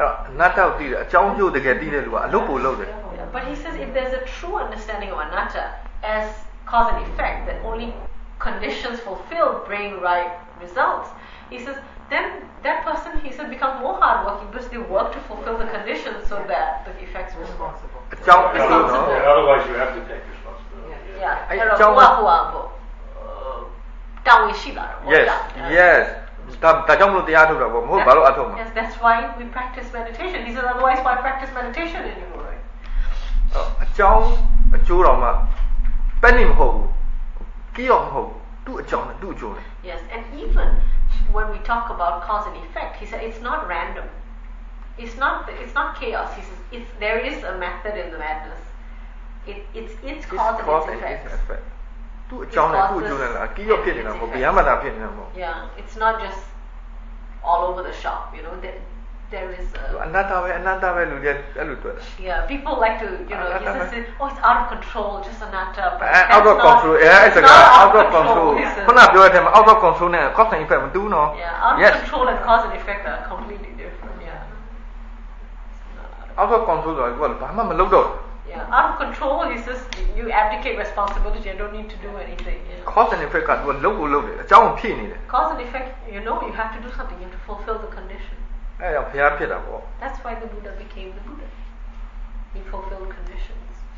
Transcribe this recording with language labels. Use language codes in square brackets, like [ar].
[my] anatta ဟုတ်တယ်အကြောင်းပြုတကယ်တည်တဲ့လူကအလုပ်ကိုလုပ်တယ် [en] but he says if there's a true understanding of anatta as cause and effect that only conditions fulfilled bring right results he says then that person he said become more hard working because they work to fulfill the conditions so that the effects were responsible [my] အကြောင်းပြုတော့ [en] otherwise you have to take responsibility yeah yeah [my] အကြောင်းပြုတော့တောင်းရှိလာတော့ yes yes တကြောင်းလို့တရားထုတ်တော့မဟုတ်ဘာလို့အထုတ်မှာ [en] yes that's why we practice meditation he said otherwise why practice meditation in your life [my] အကြောင်းအကျိုးတော်မှပဲနေမဟုတ်ဘူးကြည့်ရောမဟုတ်ဘူးသူအကြောင်းနဲ့သူအကျိုးနဲ့ [en] yes and even when we talk about cause and effect he said it's not random it's not chaos he says it's there is a method in the madness it's cause and [my] effect သူအကြောင်းနဲ့သူအကျိုးနဲ့လားကြည့်ရောဖြစ်နေတာမဟုတ်ဘယ်မှာသာဖြစ်နေတာမဟုတ် [en] yeah it's not just all over the shop you know that there is [my] anatta ပဲလူတွေအဲ့လိုတွေ့တာ [en] yeah people like to you know anatta he says oh it's out of control just anatta out of control yeah it's a out of control ခုနပြောတဲ့အထက်မှာ out of control နဲ့ cause and effect မတူးနော် yeah out of control and cause and effect are completely different yeah [my] out of control ဆိုတော့ဘာမှမလုပ်တော့ [en] yeah out of control he says you abdicate responsibility you don't need to do anything [my] cause and effect ကသူလုပ်ဖို့လုပ်တယ်အကြောင်းဖြစ်နေတယ် [en] cause and effect you know you have to do something you have to fulfill the condition [my] အဲ့တော့ဘုရားဖြစ်တာပေါ့ [en] That's why the Buddha became the Buddha. He fulfilled conditions.